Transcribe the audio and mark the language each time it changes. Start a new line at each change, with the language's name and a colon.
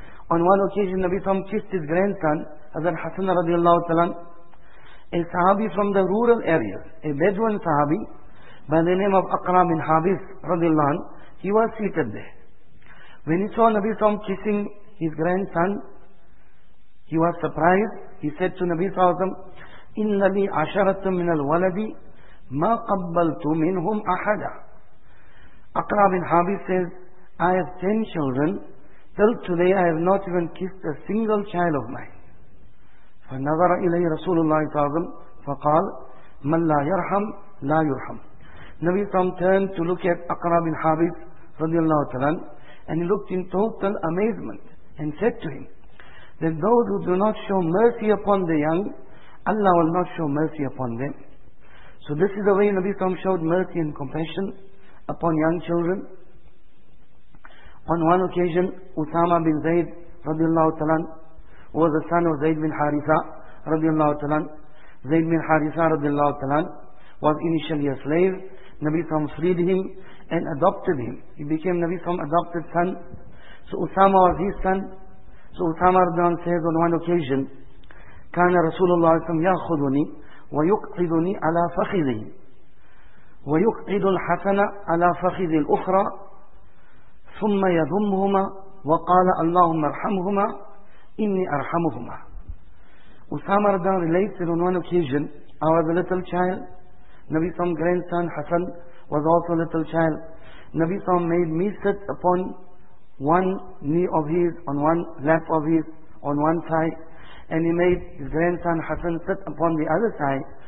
English: On one occasion, Nabi Sallam kissed his grandson, Hazrat Hassan radiallahu ta'ala, a sahabi from the rural area, a Bedouin sahabi, by the name of Aqrab bin Habis radiallahu anhu, he was seated there. When he saw Nabi Sallam kissing his grandson, he was surprised. He said to Nabi Sallam,
Arabic: إِنَّ لِي عَشَرَةٌ مِنَ الْوَلَدِ مَا قَبَّلْتُ مِنْهُمْ أَحَدًا.
English: Aqrab bin Habis says, I have 10 children, till today I have not even kissed a single child of mine.
Arabic: فَنَظَرَ إِلَيْهِ رَسُولُ اللَّهِ صَلَّى اللَّهُ عَلَيْهِ وَسَلَّمَ فَقَالَ مَنْ لَا يَرْحَمْ لَا يُرْحَمْ.
English: Nabi Sallam turned to look at Aqrab bin Habis radiallahu ta'ala, and he looked in total amazement and said to him that those who do not show mercy upon the young, Allah will not show mercy upon them. So this is the way Nabi Sallam showed mercy and compassion upon young children. On one occasion, Usama bin Zaid radiallahu ta'ala was the son of Zaid bin Haritha radiallahu ta'ala. Zaid bin Haritha radiallahu ta'ala was initially a slave. Nabi Sallam freed him and adopted him. He became Nabi Sallam's adopted son. So Usama was his son. So Usama radiallahu ta'ala says on one occasion,
Arabic: كان رسول الله صلى الله عليه وسلم يأخذني ويقعدني على فخذه ويقعد الحسن على فخذ الأخرى ثم يضمهما وقال اللهم ارحمهما إني أرحمهما.
English: Usama radiallahu anhu relates that on one occasion, I was a little child, Nabi's grandson Hassan was also a little child. Nabi made me sit upon one knee of his, on one lap of his, on one side, and he made his grandson Hassan sit upon the other side.